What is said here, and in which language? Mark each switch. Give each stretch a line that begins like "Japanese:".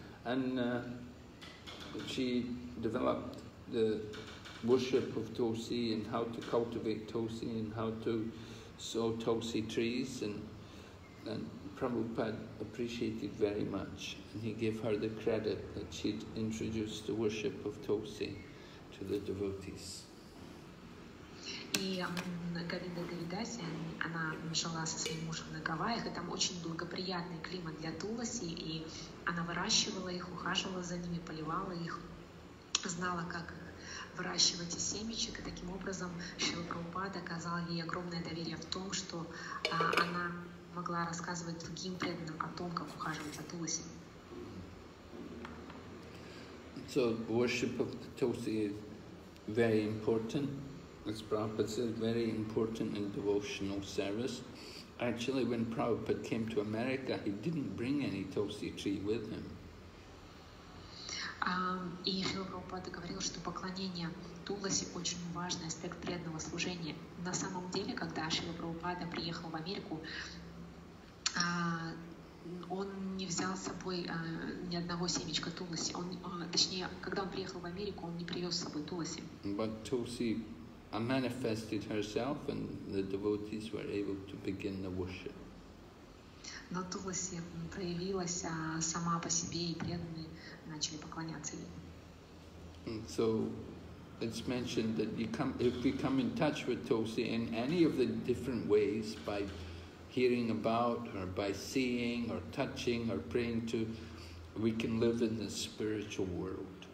English: And she developed the worship of Tulsi and how to cultivate Tulsi and how to sow Tulsi trees. And Prabhupada appreciated very much, and he gave her the credit that she'd introduced the worship of Tulsi to the devotees.
Russian: И Говинда Девидаси, она жила со своим мужем на Гавайях, и там очень благоприятный климат для Туласи, и она выращивала их, ухаживала за ними, поливала их, знала, как выращивать из семечек, и таким образом Шрила Прабхупада оказал ей огромное доверие в том, что она могла рассказывать другим преданным о том, как ухаживать за Туласи.
English: So worship of Tulsi is very important. As Prabhupada said, very important in devotional service. Actually, when Prabhupada came to America, he didn't bring any Tulsi tree with him.
Russian: И Шрила Прабхупада говорил, что поклонение Туласи очень важный аспект преданного служения. На самом деле, когда Шрила Прабхупада приехал в Америку, он не взял с собой ни одного семечка Туласи. Когда он приехал в Америку, он не привез с собой Туласи.
English: But Tulsi manifested herself, and the devotees were able to begin the worship.
Russian: На Туласи проявилась сама по себе, и преданные начали поклоняться ей.
English: So, it's mentioned that if we come in touch with Tulsi in any of the different ways, by hearing about or by seeing or touching or praying to, we can live in the spiritual world.